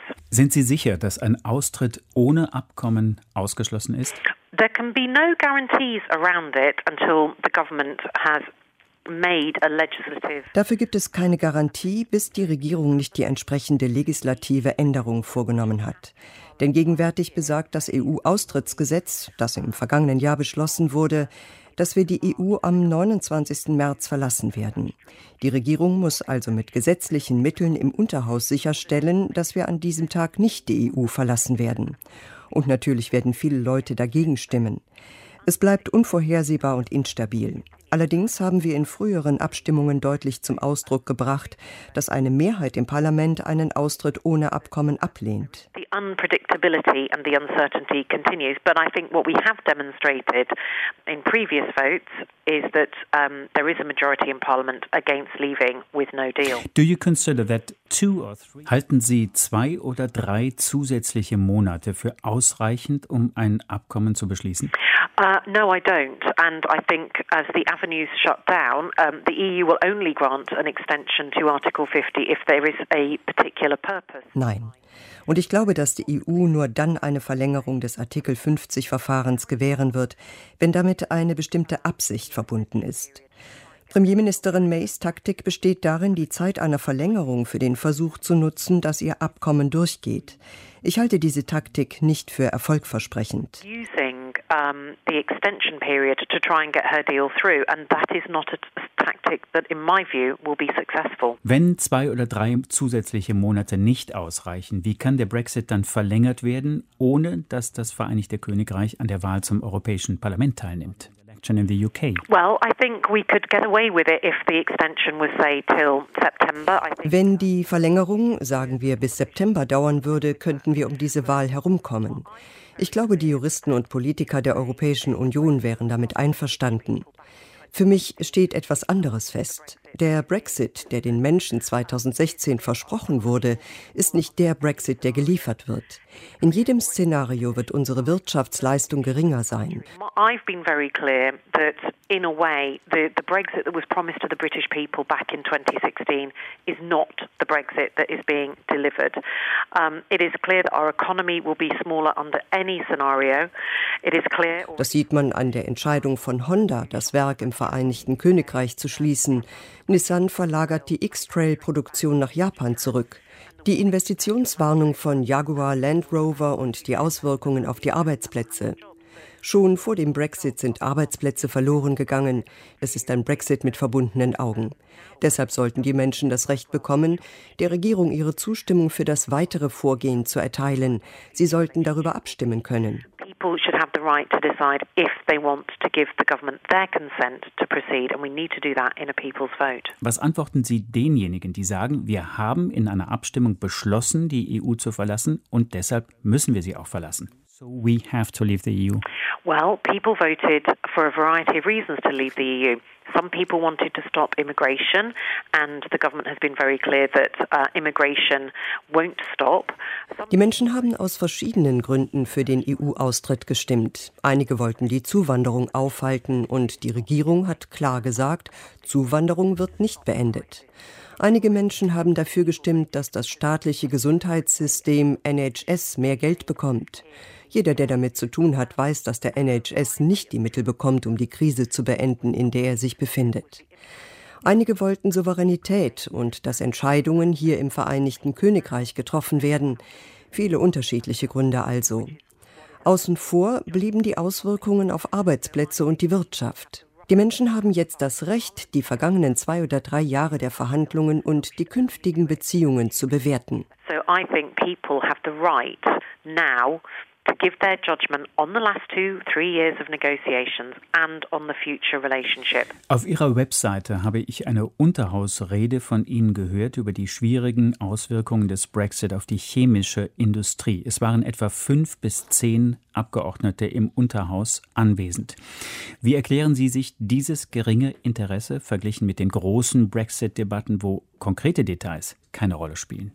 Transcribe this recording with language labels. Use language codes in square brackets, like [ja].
[de] Sind Sie sicher, dass ein Austritt ohne Abkommen ausgeschlossen ist? [en] There can be no guarantees around it until the government has made a legislative. [de] Dafür gibt es keine Garantie, bis die Regierung nicht die entsprechende legislative Änderung vorgenommen hat. Denn gegenwärtig besagt das EU-Austrittsgesetz, das im vergangenen Jahr beschlossen wurde, dass wir die EU am 29. März verlassen werden. Die Regierung muss also mit gesetzlichen Mitteln im Unterhaus sicherstellen, dass wir an diesem Tag nicht die EU verlassen werden. Und natürlich werden viele Leute dagegen stimmen. Es bleibt unvorhersehbar und instabil. Allerdings haben wir in früheren Abstimmungen deutlich zum Ausdruck gebracht, dass eine Mehrheit im Parlament einen Austritt ohne Abkommen ablehnt. [en] The unpredictability and the uncertainty continues, but I think what we have demonstrated in previous votes is that there is a majority in Parliament against leaving with no deal. Do you consider that two or three? [de] Halten Sie zwei oder drei zusätzliche Monate für ausreichend, um ein Abkommen zu beschließen? [en] No, I don't. And I think as the avenues shut down, the EU will only grant an extension to Article 50 if there is a particular purpose. [de] Nein. Und ich glaube, dass die EU nur dann eine Verlängerung des Artikel 50-Verfahrens gewähren wird, wenn damit eine bestimmte Absicht verbunden ist. Premierministerin Mays Taktik besteht darin, die Zeit einer Verlängerung für den Versuch zu nutzen, dass ihr Abkommen durchgeht. Ich halte diese Taktik nicht für erfolgversprechend. [en] The extension period to try and get her deal through, and that is not a tactic that in my view will be successful. [de] Wenn zwei oder drei zusätzliche Monate nicht ausreichen, wie kann der Brexit dann verlängert werden, ohne dass das Vereinigte Königreich an der Wahl zum Europäischen Parlament teilnimmt? [en] In the UK. Well, I think we could get away with it if the extension was say till September. [de] Wenn die Verlängerung, sagen wir, bis September dauern würde, könnten wir um diese Wahl herumkommen. Ich glaube, die Juristen und Politiker der Europäischen Union wären damit einverstanden. Für mich steht etwas anderes fest. Der Brexit, der den Menschen 2016 versprochen wurde, ist nicht der Brexit, der geliefert wird. In jedem Szenario wird unsere Wirtschaftsleistung geringer sein. [en] I've been very clear that in a way the Brexit that was promised to the British people back in 2016 is not the Brexit that is being delivered. It is clear that our economy will be smaller under any scenario. It is clear. [de] Das sieht man an der Entscheidung von Honda, das Werk im Vereinigten Königreich zu schließen. Nissan verlagert die X-Trail-Produktion nach Japan zurück. Die Investitionswarnung von Jaguar Land Rover und die Auswirkungen auf die Arbeitsplätze. Schon vor dem Brexit sind Arbeitsplätze verloren gegangen. Es ist ein Brexit mit verbundenen Augen. Deshalb sollten die Menschen das Recht bekommen, der Regierung ihre Zustimmung für das weitere Vorgehen zu erteilen. Sie sollten darüber abstimmen können. [en] People should have the right to decide if they want to give the government their consent to proceed, and we need to do that in a people's vote. [de] Was antworten Sie denjenigen, die sagen, wir haben in einer Abstimmung beschlossen, die EU zu verlassen, und deshalb müssen wir sie auch verlassen? [en] So we have to leave the EU. Well, people voted for a variety of reasons to leave the EU. Some people wanted to stop immigration, and the government has been very clear that immigration won't stop. [de] Die Menschen haben aus verschiedenen Gründen für den EU-Austritt gestimmt. Einige wollten die Zuwanderung aufhalten, und die Regierung hat klar gesagt, Zuwanderung wird nicht beendet. Einige Menschen haben dafür gestimmt, dass das staatliche Gesundheitssystem NHS mehr Geld bekommt. Jeder, der damit zu tun hat, weiß, dass der NHS nicht die Mittel bekommt, um die Krise zu beenden, in der er sich befindet. Einige wollten Souveränität und dass Entscheidungen hier im Vereinigten Königreich getroffen werden. Viele unterschiedliche Gründe also. Außen vor blieben die Auswirkungen auf Arbeitsplätze und die Wirtschaft. Die Menschen haben jetzt das Recht, die vergangenen 2 oder 3 Jahre der Verhandlungen und die künftigen Beziehungen zu bewerten. [en] So I think people have the right now to give their judgment on the last 2-3 years of negotiations and on the future relationship. [de] Auf ihrer Webseite habe ich eine Unterhausrede von Ihnen gehört über die schwierigen Auswirkungen des Brexit auf die chemische Industrie. Es waren etwa 5 bis 10 Abgeordnete im Unterhaus anwesend. Wie erklären Sie sich dieses geringe Interesse verglichen mit den großen Brexit-Debatten, wo konkrete Details keine Rolle spielen?